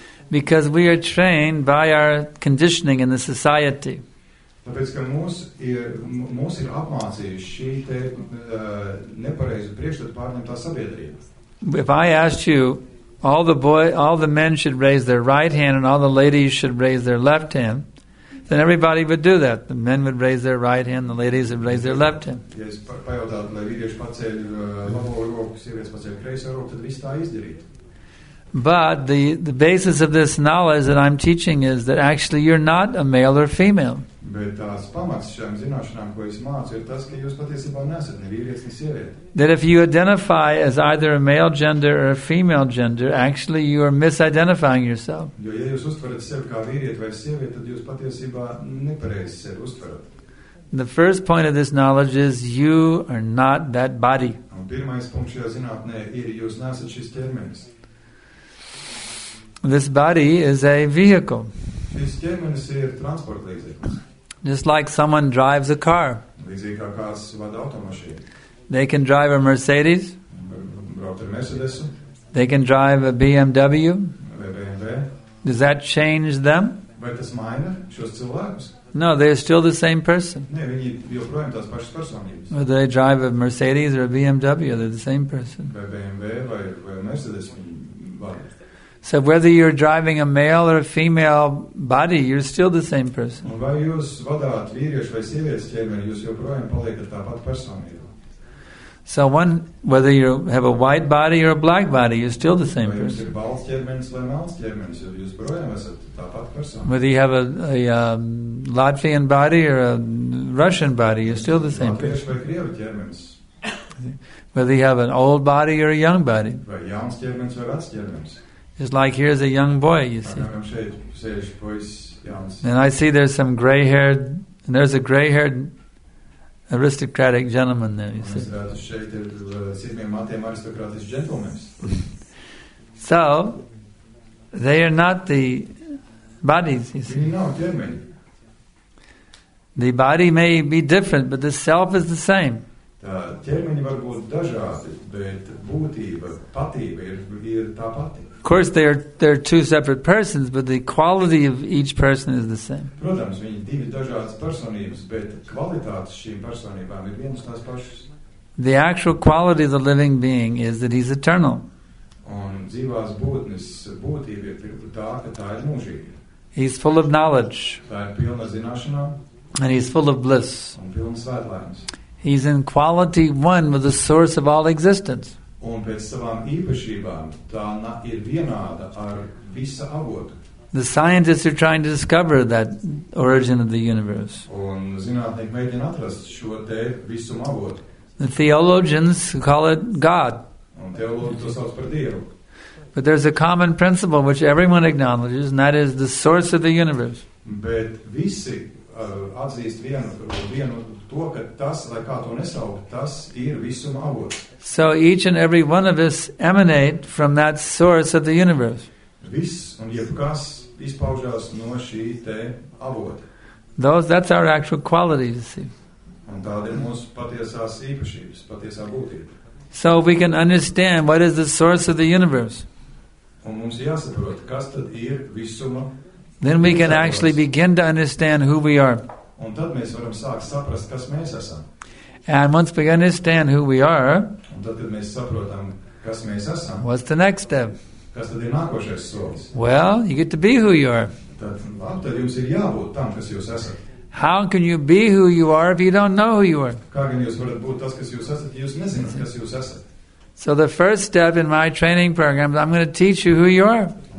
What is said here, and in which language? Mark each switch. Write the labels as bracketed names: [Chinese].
[English] Because we are trained by our conditioning in the society. [Latvian] Tāpēc, ka mūs ir apmācījis šī te nepareizu priekšstatu pārņemtā sabiedrība. [English] If I asked you, all the men should raise their right hand and all the ladies should raise their left hand, then everybody would do that. The men would raise their right hand, the ladies would raise their left hand. [Latvian] Ja es pajautātu, lai vīrieši paceļ labo roku, sievietes paceļ kreiso roku, tad viss tā izdarītu. [English] But the basis of this knowledge that I'm teaching is that actually you're not a male or female. [Latvian] Bet tās pamats šajām zināšanām, ko es mācu, ir tas, ka jūs patiesībā nesat ne vīrietis, ne sieviete. [English] That if you identify as either a male gender or a female gender, actually you are misidentifying yourself. [Latvian] Jo, ja jūs uztverat sevi kā vīrieti vai sieviete, tad jūs patiesībā nepareizi sevi uztverat. [English] The first point of this knowledge is you are not that body. [Latvian] Un pirmais punkts šajā zinātnē ir, jūs nesat šis ķermenis. [English] This body is a vehicle. [Latvian] Šis ķermenis ir transporta līdzeklis. [English] Just like someone drives a car. [Latvian] Līdzīgi kā kāds vada automašīnu. [English] They can drive a Mercedes. [Latvian] Braukt ar Mercedesu. [English] They can drive a BMW. [Latvian] Vai BMW. [English] Does that change them? [Latvian] Vai tas maina šos cilvēkus? [English] No, they are still the same person. [Latvian] Nē, viņi joprojām tās pašas personības. [English] Whether they drive a Mercedes or a BMW, they're the same person. [Latvian] Vai BMW vai Mercedes viņi vada. [English] So whether you're driving a male or a female body, you're still the same person. [Latvian] Vai jūs vadāt vīriešu vai sievietes ķermeni, jūs joprojām paliekat tā pati personība. [English] So one, whether you have a white body or a black body, you're still the same person. [Latvian] Vai jūs esat balts ķermenis vai melns ķermenis, jūs joprojām esat tā pati persona. [English] Whether you have a Latvian body or a Russian body, you're still the same person. [Latvian] Vai krievu ķermenis. [English] Whether you have an old body or a young body. [Latvian] Vai jauns ķermenis vai vecs ķermenis. [English] It's like here's a young boy, you see. And I see there's some gray-haired, and there's a gray-haired aristocratic gentleman there, you see. So, they are not the bodies, you see. The body may be different, but the self is the same. [Latvian] Tā ķermeņi var būt dažādi, bet būtība, patība ir tā pati. [English] Of course, they're two separate persons, but the quality of each person is the same. [Latvian] Protams, viņi divi dažādas personības, bet kvalitātes šīm personībām ir vienas tās pašas. [English] The actual quality of the living being is that he's eternal. [Latvian] Un dzīvās būtnes būtība ir tā, ka tā ir mūžīga. [English] He's full of knowledge. [Latvian] Tā ir pilna zināšanā. [English] And he's full of bliss. [Latvian] Un pilna svētlaimes. [English] He's in quality one with the source of all existence. [Latvian] Un pēc savām īpašībām tā ir vienāda ar visa avotu. [English] The scientists are trying to discover that origin of the universe. [Latvian] Un zinātnieki mēģina atrast šo te visuma avotu. [English] The theologians call it God. [Latvian] Un teologi to sauc par Dievu. [English] But there's a common principle which everyone acknowledges, and that is the source of the universe. [Latvian] Bet visi atzīst vienu to, ka tas, lai kā to nesauk, tas ir visuma avots. [English] So each and every one of us emanate from that source of the universe. [Latvian] Viss un jebkas izpaužās no šī te avota. [English] That's our actual quality, you see. [Latvian] Un tāda ir mūsu patiesās īpašības, patiesā būtība. [English] So we can understand what is the source of the universe. [Latvian] Un mums jāsaprot, kas tad ir visuma. [English] Then we can actually begin to understand who we are. [Latvian] Un tad mēs varam sākt saprast, kas mēs esam. [English] And once we understand who we are, [Latvian] un tad, kad mēs saprotam, kas mēs esam, [English] what's the next step? [Latvian] Kas tad ir nākošais solis? [English] Well, you get to be who you are. [Latvian] Tad jums ir jābūt tam, kas jūs esat. [English] How can you be who you are if you don't know who you are? [Latvian] Kā gan jūs varat būt tas, kas jūs esat, ja jūs nezināt, kas jūs esat? [English] So the first step in my training program, I'm going to teach you who you are.